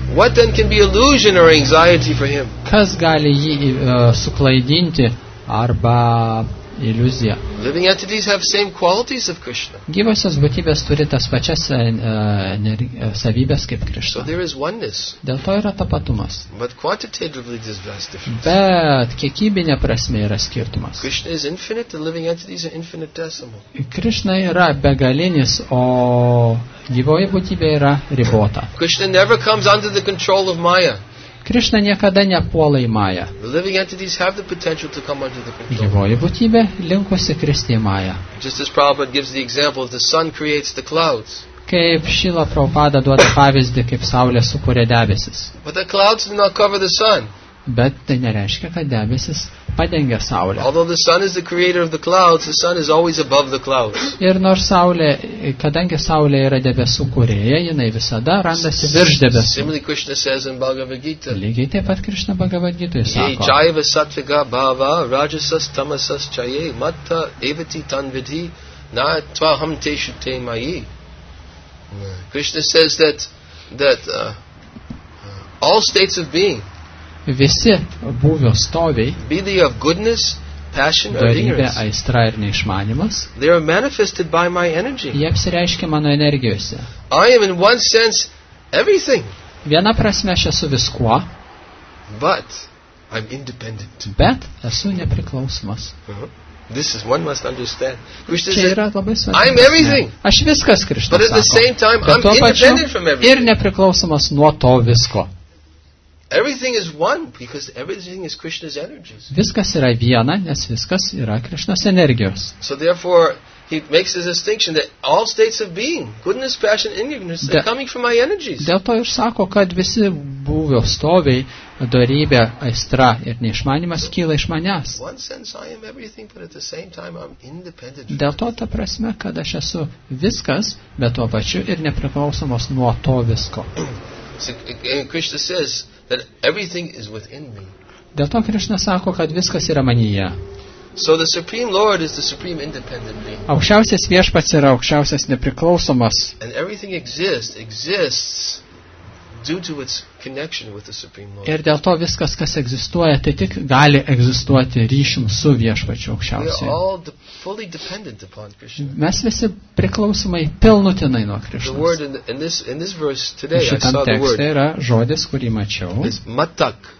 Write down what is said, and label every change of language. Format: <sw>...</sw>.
<en>What then can be illusion or anxiety for him?</en> <lt>Kas gali jį suklaidinti arba iliuzija?</lt> <en>Living entities have same qualities of Krishna.</en> <lt>Gyvosios būtybės turi tas pačias savybės kaip Krishna.</lt> <en>So there is oneness.</en> <lt>Dėl to yra tapatumas.</lt> <en>But quantitatively there's vast difference.</en> <lt>Bet kiekybinė prasme yra skirtumas.</lt> <en>Krishna is infinite, the living entities are infinitesimal.</en> <lt>Krishna yra begalinis, o gyvoji būtybė yra ribota.</lt> <en>Krishna never comes under the control of Maya.</en> <lt>Krishna niekada nepuola į Maya.</lt> <en>The living entities have the potential to come under the control.</en> <lt>Gyvoji būtybė linkusi kristi į Maya.</lt> <en>Just as Prabhupada gives the example, the sun creates the clouds.</en> <lt>Kaip Šila Prabhupada duoda pavyzdį, kaip saulė sukuria debesis.</lt> <en>But the clouds do not cover the sun.</en> <lt>Bet tai nereiškia, kad debesis padengia saulę.</lt> <en>Although the sun is the creator of the clouds, the sun is always above the clouds.</en> <lt>Ir nors saulė, kadangi saulė yra debesų kūrėja, jinai visada randasi virš debesų.</lt> <en>Similarly, Krishna says in Bhagavad Gita.</en> <lt>Lygiai taip pat Krishna Bhagavad Gita sako.</lt> <sa>Ye jaiva sattva bhava rajasas tamasas chaye matta evati tanvidhi na tvaham teshu te mayi.</sa> <en>Krishna says that all states of being,</en> <lt>visi buvio stoviai,</lt> <en>be they of goodness, passion, or ignorance,</en> <lt>aistra ir neišmanimas,</lt> <en>they are manifested by my energy.</en> <lt>Jie apsireiškia mano energijose.</lt> <en>I am in one sense everything.</en> <lt>Viena prasme aš esu viskuo.</lt> <en>But I'm independent.</en> <lt>Bet esu nepriklausomas.</lt> <en>This is one must understand. I'm everything.</en> <lt>Aš viskas, Krishna.</lt> <en>But at the same time, I'm independent from everything.</en> <lt>Ir nepriklausomas nuo to visko.</lt> <en>Everything is one because everything is Krishna's energies.</en> <lt>Viskas yra viena, nes viskas yra Krishnos energijos.</lt> <en>So therefore he makes a distinction that all states of being, goodness, passion, ignorance, are coming from my energies.</en> <lt>Dėl to ir sako, kad visi buvio stoviai, dorybė, aistra ir neišmanimas kyla iš manęs. Dėl to ta prasme, kad aš esu viskas, bet tuo pačiu ir nepriklausomas nuo to visko.</lt> <en>Krishna says that everything is within me.</en> <lt>Dėl to Krishna sako, kad viskas yra manyje.</lt> <en>So the Supreme Lord is the supreme independent being.</en> <lt>Aukščiausias viešpats yra aukščiausias nepriklausomas.</lt> <en>And everything exists due to its connection with the Supreme Lord.</en> <lt>Ir dėl to viskas, kas egzistuoja, tai tik gali egzistuoti ryšium su Viešpačiu Aukščiausiu. Mes visi priklausomai pilnutinai nuo Krišnos.</lt> <en>The word in this verse today,</en> <lt>šitam tekste yra žodis, kurį mačiau.</lt> <sa>Matak.</sa>